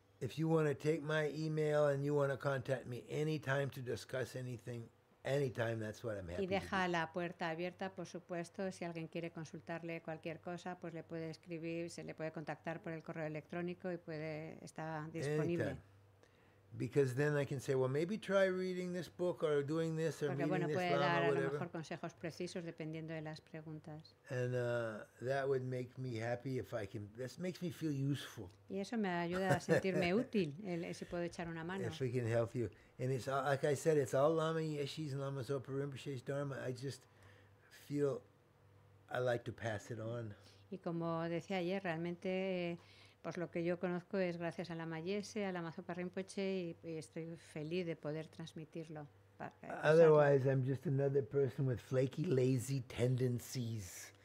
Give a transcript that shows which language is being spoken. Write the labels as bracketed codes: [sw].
[en] If you want to take my email and you want to contact me anytime to discuss anything, anytime, that's what I'm happy. [es] Y deja la puerta abierta, por supuesto, si alguien quiere consultarle cualquier cosa, pues le puede escribir, se le puede contactar por el correo electrónico y puede estar disponible. [en] Anytime. Because then I can say, well, maybe try reading this book or doing this or [es] Porque, [en] meeting [es] bueno, [en] this Lama or whatever. [es] A lo mejor consejos precisos dependiendo de las preguntas. [en] And that would make me happy if I can. This makes me feel useful. [es] Y eso me ayuda a sentirme útil, si puedo echar una mano. [en] If we can help you. And it's all, like I said, it's all Lama Yeshis and Lama Zopa Rinpoche's Dharma. I just feel I like to pass it on. [es] Y como decía ayer, realmente pues lo que yo conozco es gracias a Lama Yese, a Lama Zopa Rinpoche, y estoy feliz de poder transmitirlo. [en] Otherwise, I'm just another person with flaky, lazy tendencies.